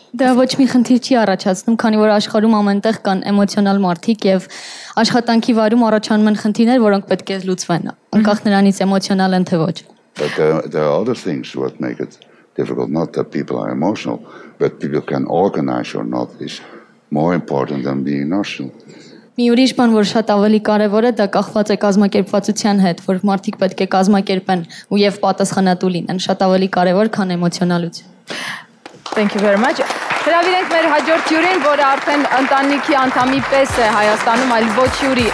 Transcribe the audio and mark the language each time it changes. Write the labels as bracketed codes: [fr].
[hy] Դա ոչ մի խնդիր չի առաջացնում, քանի որ աշխարհում ամենտեղ կան էմոցիոնալ մարդիկ եւ աշխատանքի վարում առաջանում են խնդիրներ, որոնք պետք է լուծվեն, անկախ նրանից էմոցիոնալ են թե ոչ։ [en] But there are other things what make it difficult, not that people are emotional, but people can organize or not is more important than being emotional. [hy] Մի ուրիշ բան, որ շատ ավելի կարևոր է, դա կախված է կազմակերպվածության հետ, որ մարդիկ պետք է կազմակերպեն ու եւ պատասխանատու լինեն, շատ ավելի կարևոր, քան էմոցիոնալությունը։ [en] Thank you very much. [hy] Հրավիրենք մեր հաջորդ հյուրին, որը արդեն ընտանիքի անդամի պես է Հայաստանում, այլ ոչ հյուրի.